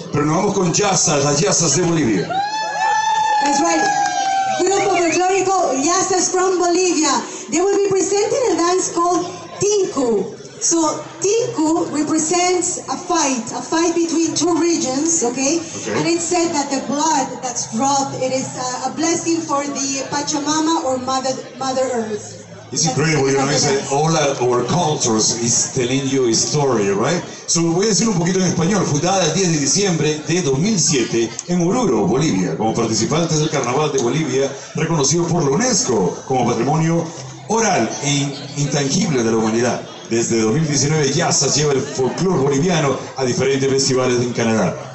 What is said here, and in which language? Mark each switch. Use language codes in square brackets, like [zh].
[es] Pero nos vamos con Yazas, las Yazas de Bolivia. [en] That's right. Grupo folclórico Yazas from Bolivia. They will be presenting a dance called Tinku. So Tinku represents a fight between two regions, okay? And it's said that the blood that's dropped, it is a blessing for the Pachamama or Mother Earth. It's incredible, you know, it's like all our cultures is telling you a story, right? [es] So voy a decir un poquito en español. Fundada el 10 de diciembre de 2007 en Oruro, Bolivia, como participantes del Carnaval de Bolivia, reconocido por la UNESCO como patrimonio oral e intangible de la humanidad. Desde 2019, Yazas lleva el folclore boliviano a diferentes festivales en Canadá.